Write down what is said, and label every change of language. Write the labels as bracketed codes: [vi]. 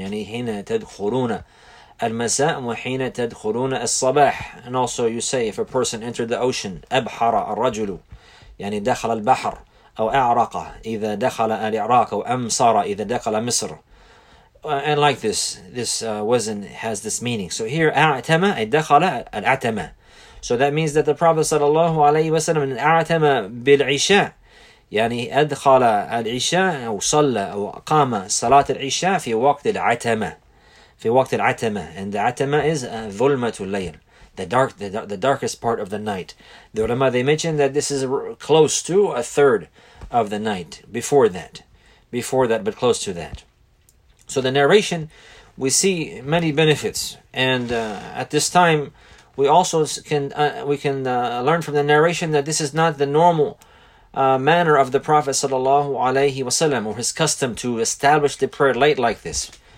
[ar] Yani hina tadkhuruna المساء وحين تدخلون الصباح. [en] And also you say, if a person entered the ocean, [ar] أبحر الرجل, يعني دخل البحر, أو أعرق إذا دخل العراق, أو أمصر إذا دخل مصر. [en] And like this, this wazn has this meaning. So here, [ar] أعتمى, أي دخل الأعتمى. [en] So that means that the Prophet [ar] صلى الله عليه وسلم أعتمى بالعشاء, يعني أدخل العشاء, أو صلى, أو قام صلاة العشاء في وقت العتمى. في وقت العتمة, [en] and the عتمة is [ar] ظلمة الليل, [en] the darkest part of the night. The ulama, they mention that this is close to a third of the night, before that, but close to that. So the narration, we see many benefits, and at this time, we also can learn from the narration that this is not the normal manner of the Prophet sallallahu alaihi wasallam, or his custom to establish the prayer late like this.